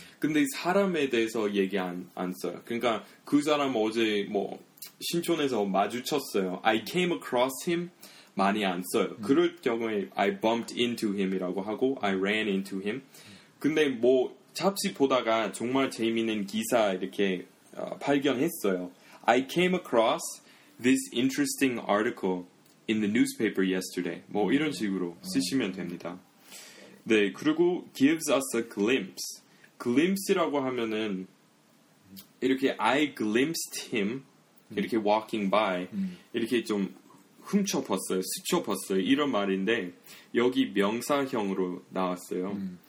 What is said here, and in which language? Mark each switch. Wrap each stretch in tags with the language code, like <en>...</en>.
<ko>근데 사람에 대해서 얘기 안 써요. 그러니까 그 사람 어제 뭐 신촌에서 마주쳤어요.</ko> <en>I came across him</en> <ko>많이 안 써요. 그럴 경우에</ko> <en>I bumped into him이라고 하고 I ran into him.</en> <ko>근데 뭐 잡지 보다가 정말 재미있는 기사 이렇게 발견했어요.</ko> <en>I came across this interesting article in the newspaper yesterday.</en> <ko>뭐 이런 식으로 쓰시면 됩니다. 네, 그리고</ko> <en>gives us a glimpse.</en> <ko>Glimpse라고 하면은 이렇게</ko> <en>I glimpsed him</en> <ko>이렇게</ko> <en>walking by</en> <ko>이렇게 좀 훔쳐봤어요. 스쳐봤어요. 이런 말인데 여기 명사형으로 나왔어요.</ko>